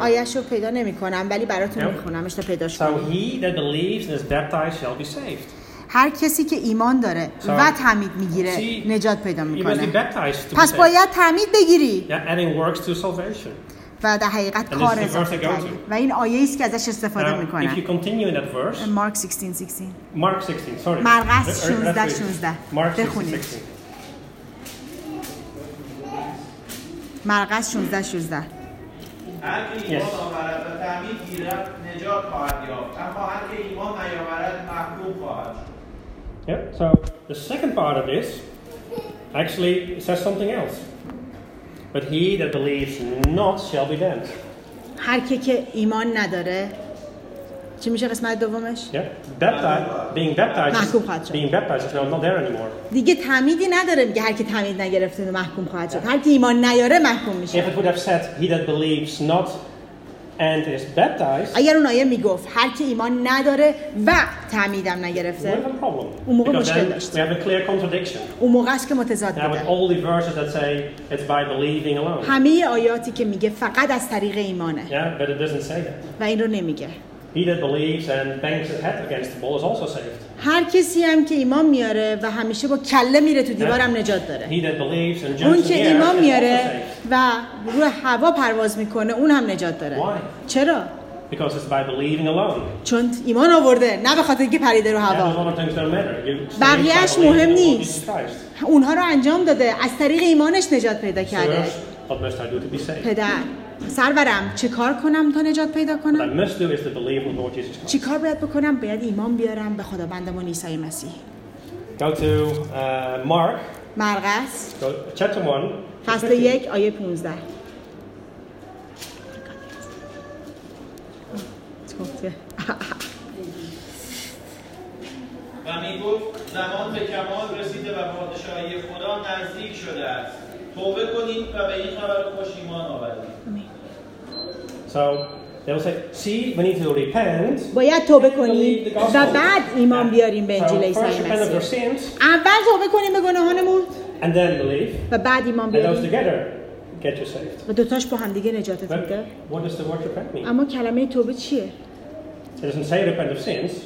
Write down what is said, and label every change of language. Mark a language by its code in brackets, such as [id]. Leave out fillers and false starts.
[fa] آیهش رو پیدا نمی‌کنم، ولی براتون می‌خونم. اشتا پیداش کنم. [en] So he that believes and is baptized shall be saved. [fa] هر کسی که ایمان داره و تعمید میگیره نجات پیدا میکنه. پس باید تعمید بگیری. [en] Yeah, [fa] و در حقیقت کار ازت و این آیه ایست که ازش استفاده میکنه. [en] If you continue in that verse, [fa] Mark 16, مرقس 16:16 بخونید. مرقس 16:16 هر که ایمان آورد و تعمید گیرد نجات خواهد یافت، اما هر که ایمان نیاورد محکوم خواهد شد. [en] Yeah. So the second part of this actually says something else. But he that believes not shall be damned. [fa] هر که ایمان نداره چی میشه قسمت دومش؟ [en] Being baptized is not there anymore. [fa] دیگه تعمیدی نداره، میگه هر کی تعمید نگرفته و محکوم خواهد شد. هر کی ایمان نیاره محکوم میشه. [en] If it would have said he that believes not and is baptized. [fa] اگر اون آیه میگفت هر کی ایمان نداره و تعمیدم نگرفته. اون موقع مشکل داشت. [en] We have a clear contradiction. [fa] اون موقع است که متضاد بود. [en] With all the verses that say it's by believing alone. [fa] همه آیاتی که میگه فقط از طریق ایمانه. [en] Yeah, but it doesn't say that. [fa] و این رو نمیگه. [en] He that believes and bangs his head against the wall is also saved. [fa] هر کسی هم که ایمان میاره و همیشه با کله میره تو دیوارم نجات داره. [en] He that believes and jumps. [fa] اون که ایمان میاره و روی هوا پرواز میکنه اون هم نجات داره. [en] Why? [fa] چرا؟ [en] Because it's by believing alone. [fa] چون ایمان آورده، نه به خاطر اینکه پریده رو هوا. بقیهش مهم نیست. اونها رو انجام داده، از طریق ایمانش نجات پیدا کرده. پدر سرورم چه کار کنم تا نجات پیدا کنم؟ چی کار باید بکنم؟ باید ایمان بیارم به خداوندمون عیسی مسیح. [en] Go to Mark. [fa] مرقس. [en] Chapter 1. [fa] فصل 1 آیه 15. و می گفت زمان به کمال رسیده و پادشاهی خدا نزدیک شده است. توبه کنید و به این خبر خوش ایمان آورید. [en] So they will say, "See, we need to repent." [fa] باید توبه کنیم و بعد ایمان بیاریم به انجیل عیسی مسیح. اول توبه کنیم به گناهانمون. [en] And then believe. [fa] و بعد ایمان بیاریم. [en] And those together get you saved. [fa] و دوتاش با هم دیگه نجاتت میده. [en] What does the word repent mean? [fa] اما کلمه توبه چیه؟ [en] It doesn't say repent of sins.